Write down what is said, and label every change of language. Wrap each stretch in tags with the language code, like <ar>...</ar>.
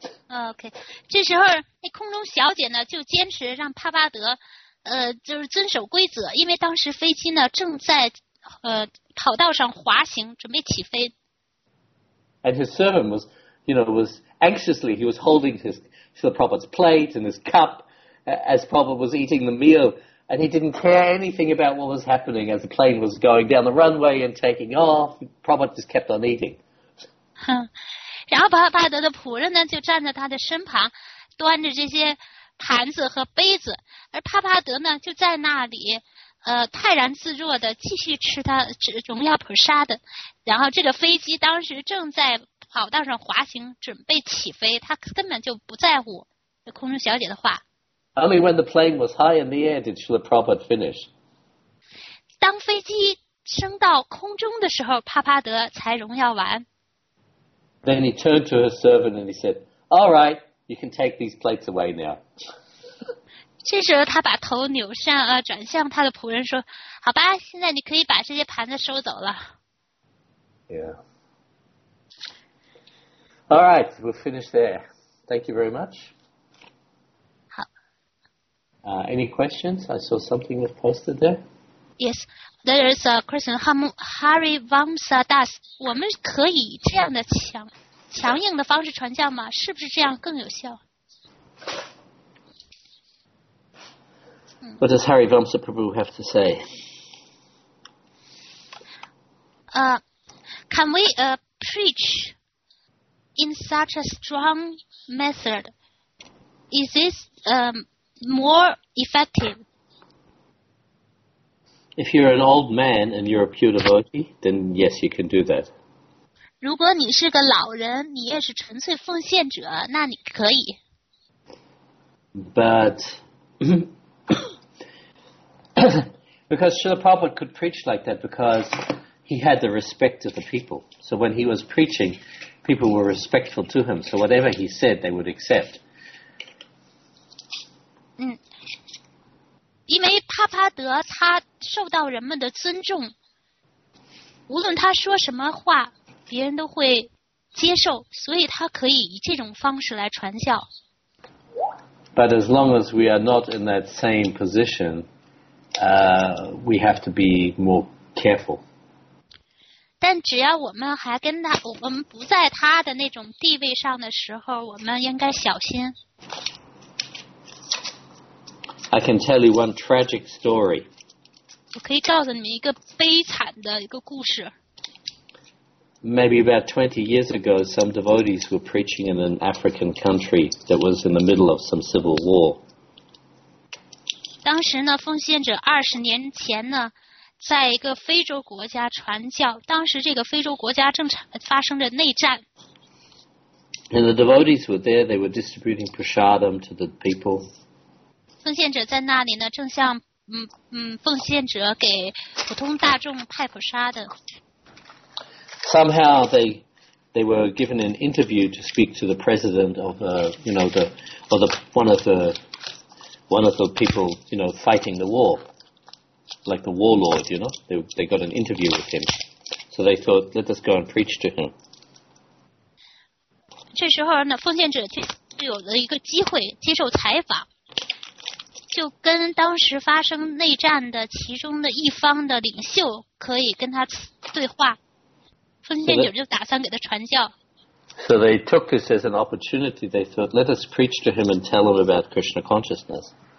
<en>Okay,</en> <zh>这时候那空中小姐呢就坚持让帕巴德，就是遵守规则，因为当时飞机呢正在跑道上滑行，准备起飞。</zh> <en>And his servant was, was anxiously he was holding his Srila Prabhupada's plate and his cup. As Prabhupada was eating the meal, and he didn't care anything about what was happening as the plane was going down the runway and taking off, Prabhupada just kept on eating.</en> <zh>然后帕德的仆人呢就站在他的身旁，端着这些盘子和杯子，而帕帕德呢就在那里，泰然自若的继续吃他荣耀普沙的。然后这个飞机当时正在跑道上滑行，准备起飞，他根本就不在乎空中小姐的话。</zh> <en>Only when the plane was high in the air did Srila Prabhupada finish.</en> <zh>当飞机升到空中的时候，帕帕德才荣耀完。</zh> <en>Then he turned to his servant and he said, "All right, you can take these plates away now."</en> <zh>这时候他把头扭向啊，转向他的仆人说，好吧，现在你可以把这些盘子收走了。 Yeah.</zh> <en>All right, we'll finish there. Thank you very much. 好。 Any questions? I saw something was posted there. Yes, there is a question.</en> <zh>Hari Vamsa Das, 我们可以这样的强硬的方式传教吗？是不是这样更有效？</zh> <en>What does Hari Vamsa Prabhu have to say? Can we preach in such a strong method? Is this more effective? If you're an old man and you're a pure devotee, then yes, you can do that.</en> <zh>如果你是个老人，你也是纯粹奉献者，那你可以。</zh> <en>But because Srila Prabhupada could preach like that because he had the respect of the people. So when he was preaching, people were respectful to him. So whatever he said, they would accept.</en> <zh>因为帕帕德他受到人们的尊重，无论他说什么话，别人都会接受，所以他可以以这种方式来传教。</zh> <en>But as long as we are not in that same position,we have to be more careful.</en> <zh>但只要我们还跟他，我们不在他的那种地位上的时候，我们应该小心。</zh> <en>I can tell you one tragic story.</en> <zh>我可以告诉你们一个悲惨的一个故事。</zh> <en>Maybe about 20 years ago, some devotees were preaching in an African country that was in the middle of some civil war.</en> <zh>当时呢，奉献者20年前呢，在一个非洲国家传教。当时这个非洲国家正发生着内战。</zh> <en>And the devotees were there. They were distributing prasadam to the people.</en> <zh>奉献者在那里呢，正向奉献者给普通大众派普沙的。</zh> <en>Somehow they were given an interview to speak to the president of the you know the or the one of the one of the people you know fighting the war, like the warlord, you know. They got an interview with him, so they thought, let us go and preach to him.</en> <zh>这时候呢，奉献者就有了一个机会接受采访，就跟当时发生内战的其中的一方的领袖可以跟他对话。奉献者就打算给他传教。</zh> <en>So they took this as an opportunity. They thought, let us preach to him and tell him about Krishna consciousness.</en>